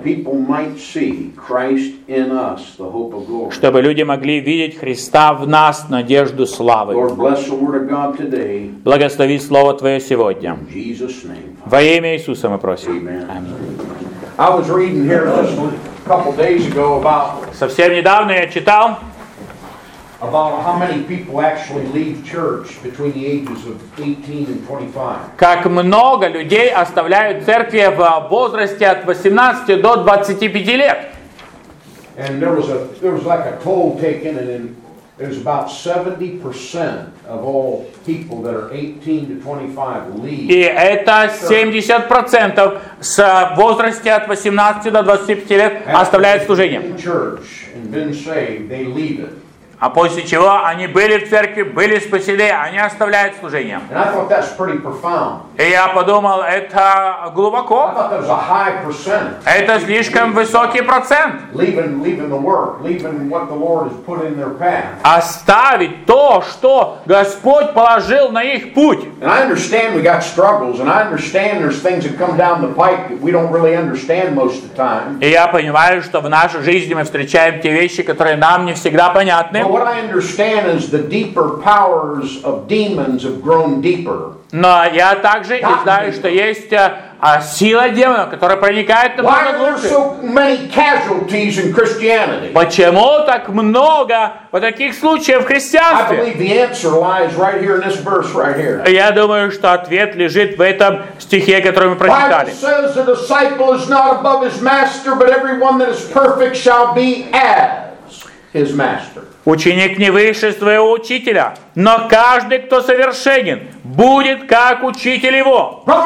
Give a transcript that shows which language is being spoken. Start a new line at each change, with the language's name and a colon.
English: that people might see Christ in us, the hope of glory.
Russian: Чтобы люди могли видеть Христа в нас, надежду славы.
English: Lord, bless the word of God today.
Russian: Благослови Слово Твое сегодня.
English: In Jesus' name, Father.
Russian: Во имя Иисуса мы просим.
English: Аминь. I was reading here just a couple days ago about,
Russian: совсем недавно я читал,
English: about how many people actually leave church between the ages of 18 and 25.
Russian: Как много людей оставляют церкви в возрасте от 18 до 25 лет.
English: And there was like a toll taken, and there's about 70% of all people that are 18 to 25 leave.
Russian: И это 70% с возраста от 18 до 25 лет оставляют служение.
English: After church and been saved, they leave it.
Russian: А после чего они были в церкви, были спасены, они оставляют служение.
English: And I thought that's pretty profound.
Russian: И я подумал, это глубоко.
English: I thought that was a high percent.
Russian: Это слишком высокий процент.
English: Leaving the work, leaving what the Lord has put in their path.
Russian: Оставить то, что Господь положил на их путь.
English: And I understand we got struggles, and I understand there's things that come down the pipe that we don't really understand most of the time.
Russian: И я понимаю, что в нашей жизни мы встречаем те вещи, которые нам не всегда понятны.
English: But what I understand is the deeper powers of demons have grown deeper.
Russian: Но я также и знаю, что есть сила демонов, которая проникает намного глубже.
English: Why are there so many casualties in Christianity?
Russian: Почему так много вот таких случаев в христианстве?
English: I believe the answer lies right here in this verse right here.
Russian: Я думаю, что ответ лежит в этом стихе, который мы прочитали.
English: Bible says the disciple is not above his master, but everyone that is perfect shall be as his master.
Russian: Ученик не выше своего учителя, но каждый, кто совершенен, будет как учитель его.